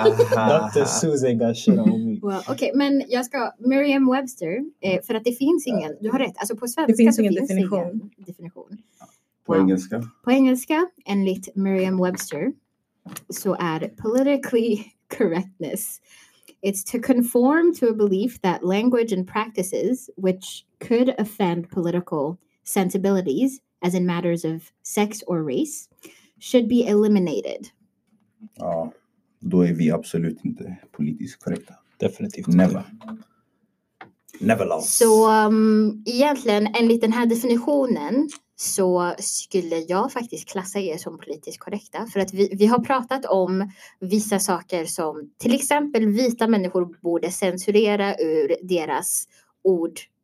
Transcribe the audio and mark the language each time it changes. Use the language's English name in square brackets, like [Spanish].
[English] Dr. Susan got shit on me. [Swedish] Okej, men jag ska... Merriam-Webster, för att det finns ingen... Du har rätt. Alltså på svenska finns ingen definition. På engelska? På engelska, enligt Merriam-Webster, så är [English] politically correctness... It's to conform to a belief that language and practices, which could offend political sensibilities, as in matters of sex or race, should be eliminated. [Swedish] Ja, då är vi absolut inte politiskt korrekta. Definitivt. [English] Never. Never lost. [Swedish] Så egentligen, enligt den här definitionen, så skulle jag faktiskt klassa er som politiskt korrekta. För att vi har pratat om vissa saker som till exempel vita människor borde censurera ur deras ord.